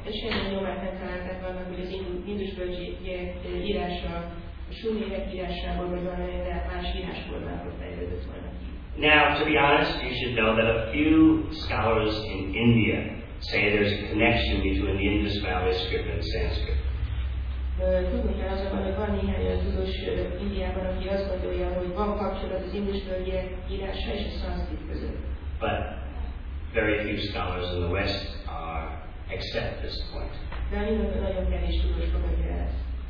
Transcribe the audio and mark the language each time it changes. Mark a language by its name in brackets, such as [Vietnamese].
[Hungarian] És ilyen nyomát nem találták annak, hogy az Indus völgyek írása a Sumerek írásából, vagy valamilyen más írásformából fejlődött volna. [English] Now, to be honest, you should know that a few scholars in India say there's a connection between the Indus Valley script and Sanskrit. [Hungarian] Tudni kell azonban, hogy van néhány tudós Indiában, aki azt gondolja, hogy van kapcsolat az Indus völgyek írása és a Sanskrit között. [English] But very few scholars in the West accept this point. [Hungarian] De nagyon kevés tudós fogadja ezt.